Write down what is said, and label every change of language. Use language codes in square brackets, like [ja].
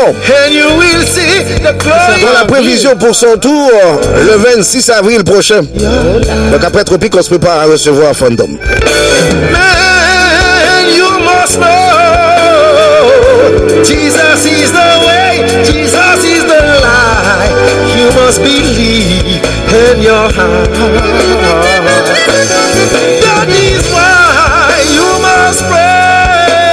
[en] And you will see the glory. [fr] Dans la prévision pour son tour, le 26 avril prochain. Donc après Tropique, on se prépare à recevoir Fandom. [en] Man, you must know. Jesus is the way, Jesus is the light. You must believe in your heart. That is why you must pray.